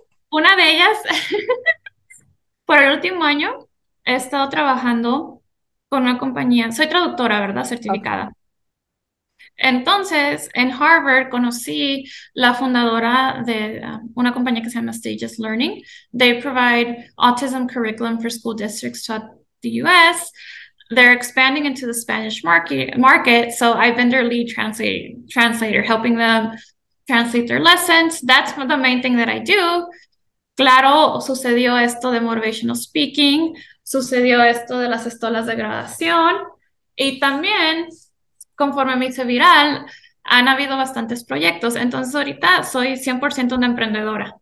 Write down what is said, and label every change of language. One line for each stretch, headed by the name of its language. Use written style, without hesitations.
Spanish: Una de ellas, por el último año, he estado trabajando con una compañía. Soy traductora, ¿verdad?
English: Okay.
Spanish: Certificada. Entonces, en Harvard conocí la fundadora de una compañía que se llama Stages Learning.
English: They provide autism curriculum for school districts to the US. They're expanding into the Spanish market. So I've been their lead translator, helping them translate their lessons. That's the main thing that I do.
Spanish: Claro, sucedió esto de
English: motivational speaking,
Spanish: sucedió esto de las estolas de graduación. Y también, conforme me hice viral, han habido bastantes proyectos. Entonces, ahorita soy 100% una emprendedora.